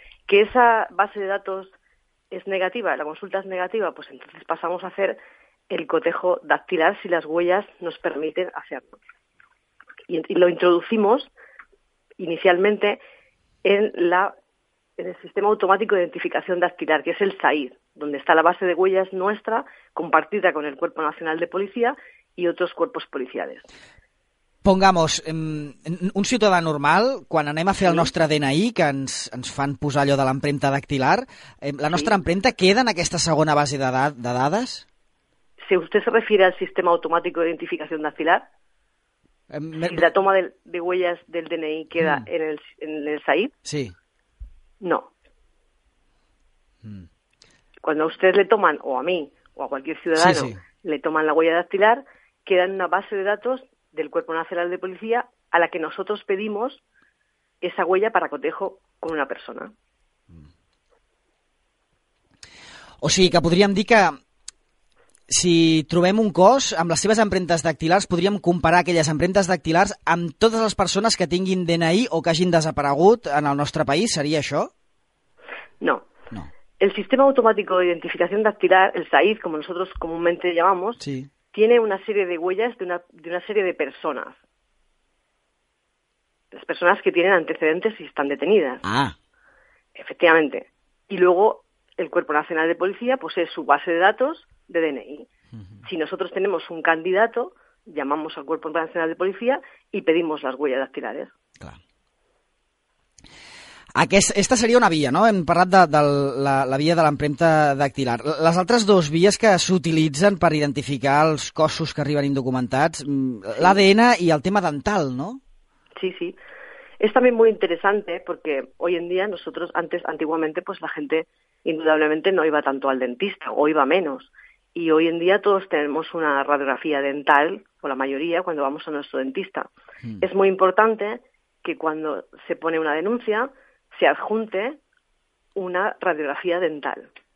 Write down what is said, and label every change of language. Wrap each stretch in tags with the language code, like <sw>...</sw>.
<es>Que esa base de datos es negativa, la consulta es negativa, pues entonces pasamos a hacer el cotejo dactilar si las huellas nos permiten hacerlo. Y lo introducimos inicialmente en el sistema automático de identificación dactilar, que es el SAID, donde está la base de huellas nuestra, compartida con el Cuerpo Nacional de Policía y otros cuerpos policiales. Pongamos,</es> <ca>un ciutadà normal, quan anem a fer el nostre DNI, que ens fan posar allò de l'empremta dactilar, la nostra empremta queda en aquesta segona base de dades?</ca> <es>Si usted se refiere al sistema automático de identificación dactilar, si la toma de huellas del DNI queda en el SAID, sí. No. Cuando a usted le toman, o a mí, o a cualquier ciudadano, le toman la huella dactilar, queda en una base de datos del Cuerpo Nacional de Policía a la que nosotros pedimos esa huella para cotejo con una persona.</es> <ca>O sigui, que podríem dir que si trobem un cos amb les seves empremtes dactilars, podríem comparar aquelles empremtes dactilars amb totes les persones que tinguin DNI o que hagin desaparegut en el nostre país, seria això?</ca> <es>No. El sistema automático de identificación dactilar, el SAID, como nosotros comúnmente llamamos, Sí. tiene una serie de huellas de una serie de personas. Las personas que tienen antecedentes y están detenidas. Ah. Efectivamente. Y luego el Cuerpo Nacional de Policía posee su base de datos de DNI. Si nosotros tenemos un candidato, llamamos al Cuerpo Nacional de Policía y pedimos las huellas dactilares. Claro.</es> <ca>Aquesta seria una via, no? Hem parlat de la via de l'empremta dactilar. Les altres dues vies que s'utilitzen per identificar els cossos que arriben indocumentats, sí. L'ADN i el tema dental, no? Sí, sí.</ca> <es>Es también muy interesante porque hoy en día nosotros, antes, antiguamente, pues la gente indudablemente no iba tanto al dentista o iba menos. Y hoy en día todos tenemos una radiografía dental, o la mayoría, cuando vamos a nuestro dentista. Es muy importante que cuando se pone una denuncia se adjunte una radiografía dental.</es>